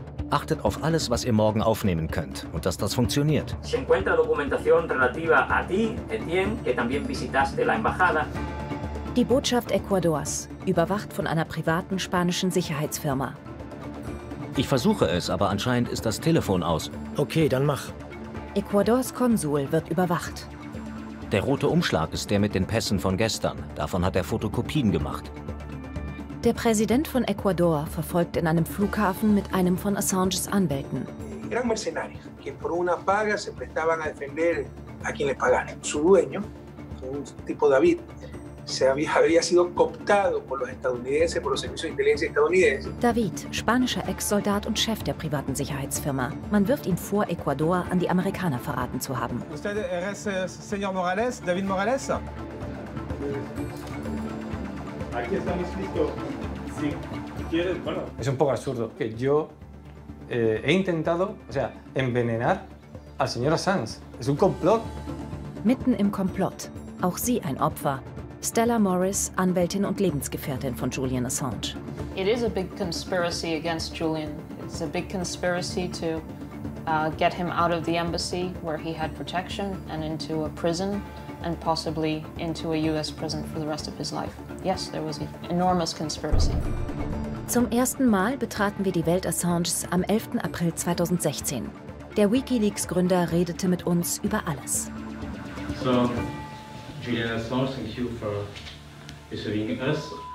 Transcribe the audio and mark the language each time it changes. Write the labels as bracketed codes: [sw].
[de] Achtet auf alles, was ihr morgen aufnehmen könnt und dass das funktioniert. [es] Se encuentra documentación relativa a ti, Etienne, que también visitaste la embajada. [de] Die Botschaft Ecuadors, überwacht von einer privaten spanischen Sicherheitsfirma. Ich versuche es, aber anscheinend ist das Telefon aus. Okay, dann mach. Ecuadors Konsul wird überwacht. Der rote Umschlag ist der mit den Pässen von gestern. Davon hat er Fotokopien gemacht. Der Präsident von Ecuador verfolgt in einem Flughafen mit einem von Assanges Anwälten. [es] Eran mercenarios, que por una paga se prestaban a defender a quien le pagaran. Su dueño, un tipo David, había sido cooptado por los estadounidenses, por los servicios de inteligencia estadounidenses. [de] David, spanischer Ex-Soldat und Chef der privaten Sicherheitsfirma. Man wirft ihm vor, Ecuador an die Amerikaner verraten zu haben. [es] Usted es señor Morales, David Morales? Aquí estamos listos. Si quieres, bueno. Es un poco absurdo que yo he intentado, o sea, envenenar al señor Assange. Es un complot. [de] Mitten im Komplott. Auch sie ein Opfer. Stella Morris, Anwältin und Lebensgefährtin von Julian Assange. [en] It is a big conspiracy against Julian. It's a big conspiracy to get him out of the embassy where he had protection and into a prison and possibly into a US prison for the rest of his life. Yes, there was an enormous conspiracy. [de] Zum ersten Mal betraten wir die Welt Assanges am 11. April 2016. Der Wikileaks-Gründer redete mit uns über alles. [en] So, Julian Assange, thank you for receiving us.